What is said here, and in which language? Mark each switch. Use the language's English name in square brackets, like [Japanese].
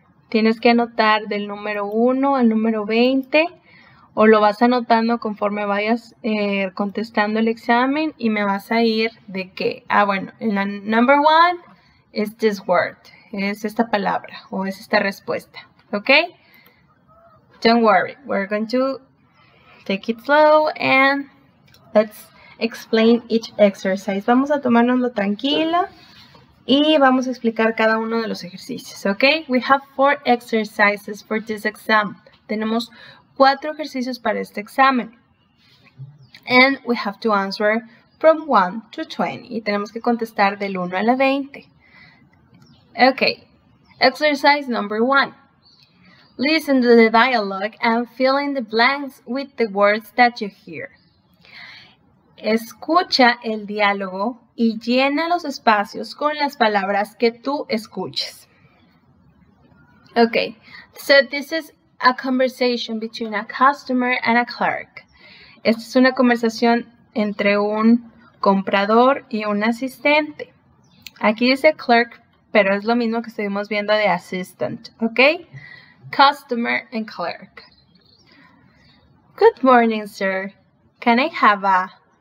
[Spanish] Tienes que anotar del número 1 al número 20, o lo vas anotando conforme vayas contestando el examen y me vas a ir de que, ah, bueno, en la [English] number 1 is this word, [Spanish] es esta palabra o es esta respuesta, ¿ok? [English] Don't worry, we're going to take it slow and let's explain each exercise. [Spanish] Vamos a tomárnoslo tranquilo y vamos a explicar cada uno de los ejercicios, ¿ok? [English] We have 4 exercises for this exam. [Spanish] Tenemos 4 ejercicios para este examen. [English] And we have to answer from 1 to 20. [Spanish] Y tenemos que contestar del 1 a la 20. [English] Ok, exercise number 1. Listen to the dialogue and fill in the blanks with the words that you hear. [Spanish] Escucha el diálogo y llena los espacios con las palabras que tú escuches. [English] Okay, so this is a conversation between a customer and a clerk. [Spanish] Esta es una conversación entre un comprador y un asistente. Aquí dice clerk, pero es lo mismo que estuvimos viendo de assistant, okay? [English] Customer and clerk. Good morning, sir. Can I have a...